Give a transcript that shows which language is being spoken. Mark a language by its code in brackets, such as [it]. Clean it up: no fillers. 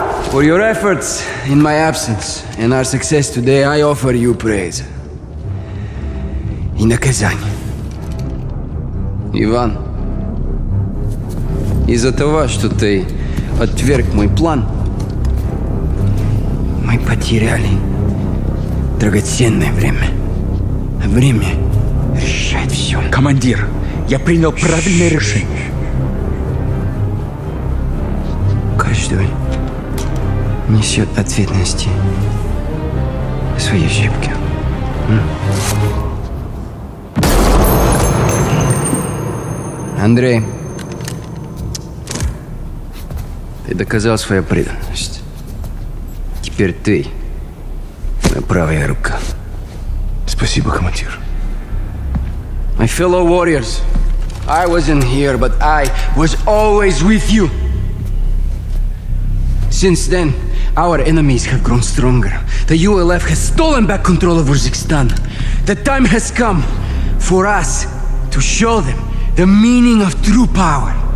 [en] For your efforts in my absence and our success today, I offer you praise. In a Kazan. [ru] Иван, из-за того, что ты отверг мой план, мы потеряли драгоценное время. Время решает все. Командир, я принял правильное решение. Каждый несет ответственности за свои ошибки. Андрей, ты доказал свою преданность. Теперь ты моя правая рука. Спасибо, командир. [en] My fellow warriors, I wasn't here, but I was always with you. Since then, our enemies have grown stronger. The ULF has stolen back control of Uzbekistan. The time has come for us to show them the meaning of true power.